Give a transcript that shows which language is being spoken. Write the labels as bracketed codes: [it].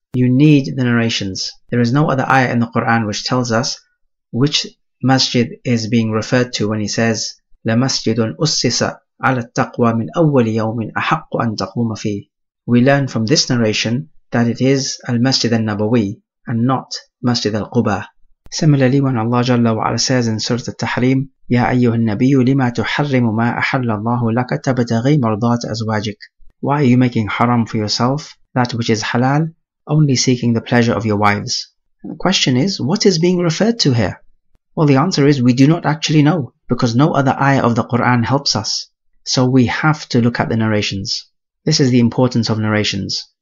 [en] You need the narrations. There is no other ayah in the Quran which tells us which masjid is being referred to when he says, [ar] لَمَسْجِدٌ أُسِّسَ عَلَى التَّقْوَى مِنْ أَوَّلِ يَوْمٍ أَحَقُّ أَنْ تَقُومَ فِيهِ. [en] We learn from this narration that it is al-masjid al-Nabawi and not masjid al-Quba. Similarly, when Allah Jalla wa'ala says in Surah Al-Tahrim, [ar] يَا أَيُّهَا النَّبِيُّ لِمَا تُحَرِّمُ مَا أَحَلَّ اللَّهُ لَكَ تَبْتَغِي مَرْضَاتَ أَزْوَاجِكَ. [en] Why are you making haram for yourself that which is halal, only seeking the pleasure of your wives? And the question is, what is being referred to here? Well, the answer is, we do not actually know, because no other ayah of the Quran helps us. So we have to look at the narrations. This is the importance of narrations.